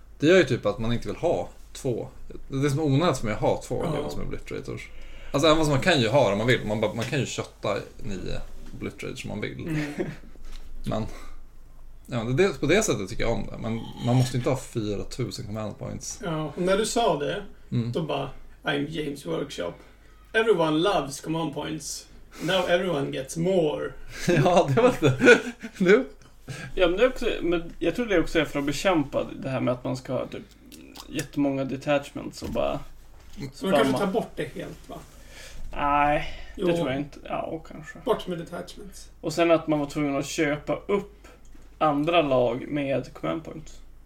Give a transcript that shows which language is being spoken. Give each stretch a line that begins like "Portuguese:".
Swedish: Det gör ju typ att man inte vill ha två. Det är som onödigt för mig att ha två gånger som Obliterators. Alltså även vad man kan ju ha om man vill, man kan ju kötta nio Obliterators som man vill. Mm. Men ja, på det sättet tycker jag om det. Men man måste inte ha 4000 command points. Ja, när du sa det, då bara,
English: I'm James Workshop. Everyone loves command points. Now everyone gets more.
Swedish: Ja, det var det. Nu? Ja, men, det också, men jag tror det också är för att bekämpa det här med att man ska ha typ jättemånga detachments och bara... Så man kanske tar bort det helt, va? Nej. Jo. Det tror jag inte, ja kanske. Bort med detachments. Och sen att man var tvungen att köpa upp andra lag med command points.